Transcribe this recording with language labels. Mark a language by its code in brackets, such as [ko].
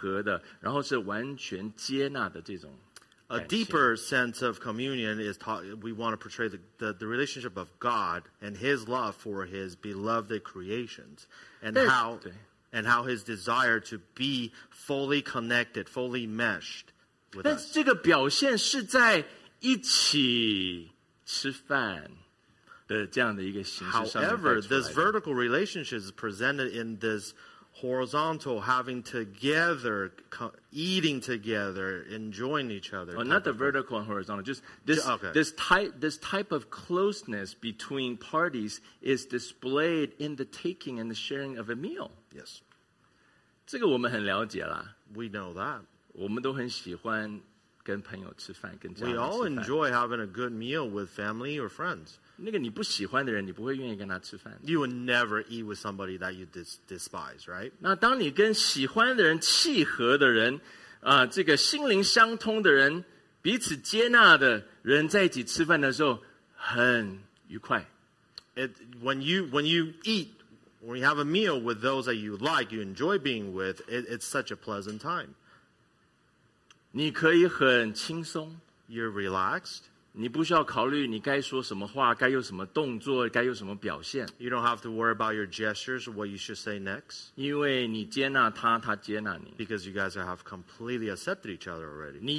[zh] 但是这个communion的这种生命上面联合，更重要弟兄姐妹是讲到神与他所创造、他所爱、他所拯救的人之间彼此毫无芥蒂、完全是祥和的，然后是完全接纳的这种。 [en] A deeper sense of communion is taught. We want to portray the relationship of God and His love for His beloved creations, and how His desire to be fully connected, fully meshed with us. [zh] 但是这个表现是在一起吃饭的这样的一个形式上面。 [en] However, this vertical relationship is presented in this horizontal, having together, eating together, enjoying each other. Oh, not the vertical and horizontal. Just this, okay. this type of closeness between parties is displayed in the taking and the sharing of a meal. Yes. [zh] 这个我们很了解了。 [en] We know that. [zh] 我们都很喜欢跟朋友吃饭，跟家人吃饭。 [en] We all enjoy having a good meal with family or friends. [zh] 那个你不喜欢的人，你不会愿意跟他吃饭。 [en] You would never eat with somebody that you despise, right? [zh] 那当你跟喜欢的人、契合的人、这个心灵相通的人、彼此接纳的人在一起吃饭的时候，很愉快。 [en] When you eat, when you have a meal with those that you like, you enjoy being with, it's such a pleasant time. [zh] 你可以很轻松。 [en] You're relaxed. [zh] 你不需要考虑你该说什么话，该有什么动作，该有什么表现。 [en] You don't have to worry about your gestures or what you should say next. [zh] 因为你接纳他，他接纳你。 [en] Because you guys have completely accepted each other already.